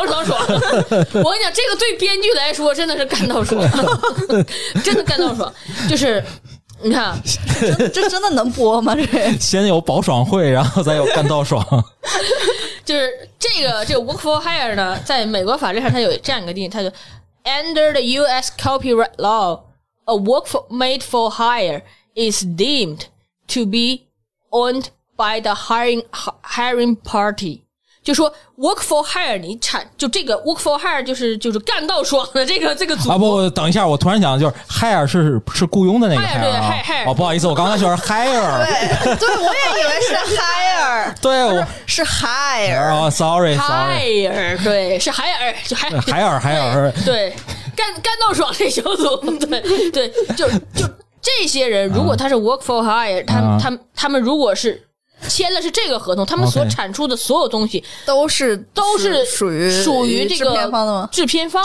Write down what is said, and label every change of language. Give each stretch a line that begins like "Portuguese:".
Chinese: 我跟你讲，这个对编剧来说真的是干到爽，真的干到爽。就是你看，这真的能播吗？这先有保爽会，然后再有干到爽。就是这个 work for hire 呢，在美国法律上它有这样一个定义，它就
English: under the U.S. copyright law, a work for, made for hire is deemed to be owned. By the hiring party，
Chinese: 就说 work for hire， 你产就这个 work for hire 就是干到爽的这个组啊。不，等一下，我突然想，就是 hire 是雇佣的那个
English: hire，啊、
Chinese: 对 hire。哦，不好意思，我刚才就是 hire。对，我也以为是 hire。对，我是 hire。
English: 哦 ，sorry。
Chinese: hire 对，是 hire， 就
English: hire。
Chinese: 对，干到爽这小组，对，就这些人，如果他是 work for hire，他们如果是。签了是这个合同，他们所产出的所有东西、
English: okay.
Chinese: 都是属于这个制片方的吗？制片方